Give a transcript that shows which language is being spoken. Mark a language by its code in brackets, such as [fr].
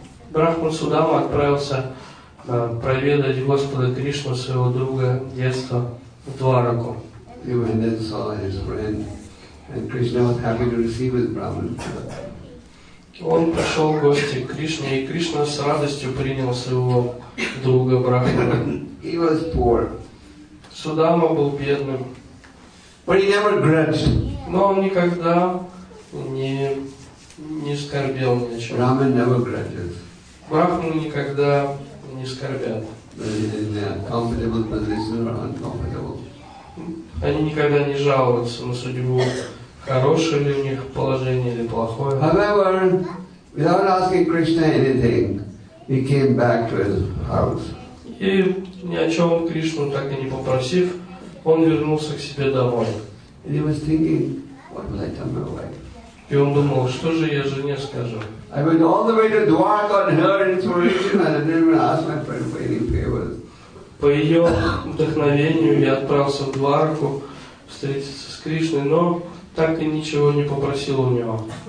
[ru] Брахман Судама отправился проведать Господа Кришну, своего друга детства, в Двараку. [en] He went and saw his friend, and Krishna was happy to receive his Brahmin. [ru] Он пришел в гости к Кришне, и Кришна с радостью принял своего друга Брахмана. [en] He was poor. [ru] Судама был бедным. [en] But he never grudged. [ru] Но он никогда не скорбел ни о чем. [en] Brahmin never grudges. [ru] Брахмана никогда не скорбят. [en] But in the comfortable position or uncomfortable. [ru] Они никогда не жалуются на судьбу, хорошее ли у них положение или плохое. [en] However, without asking Krishna anything, he came back to his house. [ru] И ни о чем Кришну так и не попросив, он вернулся к себе домой. [en] And he was thinking, what will I tell my wife? [ru] И он думал, что же я жене скажу? [en] I went all the way to Dwarka on her inspiration, and I didn't even ask my friend for any favors. [ru] По ее вдохновению я отправился в Дварку встретиться с Кришной, но так и ничего не попросил у него.